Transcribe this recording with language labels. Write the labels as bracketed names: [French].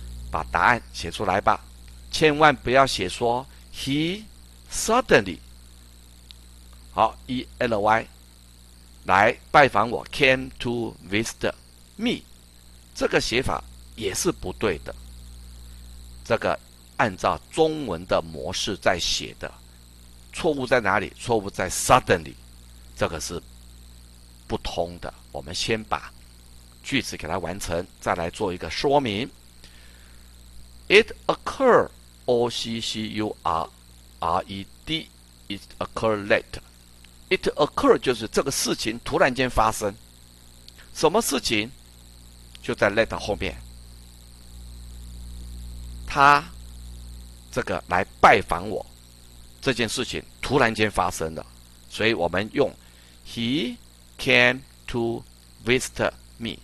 [Chinese] 把答案写出来吧，千万不要写说 [English] he suddenly [Chinese] 好 ely 来拜访我 [English] came to visit me， [Chinese] 这个写法也是不对的。这个按照中文的模式在写的，错误在哪里？错误在 suddenly， 这个是不通的。我们先把句子给它完成，再来做一个说明。 [English] It occurred O C C U R R E D It occurred late. It occurred [Chinese] 就是这个事情突然间发生。什么事情？就在 late 后面。他这个来拜访我，这件事情突然间发生了，所以我们用 [English] He came to visit me。